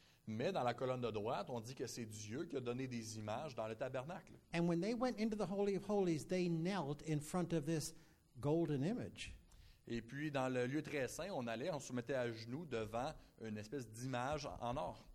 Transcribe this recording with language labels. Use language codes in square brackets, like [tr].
[fr] Mais dans la colonne de droite, on dit que c'est Dieu qui a donné des images dans le tabernacle. [en] And when they went into the Holy of Holies, they knelt in front of this golden image. [fr] Et puis dans le lieu très saint, on se mettait à genoux devant une espèce d'image en or.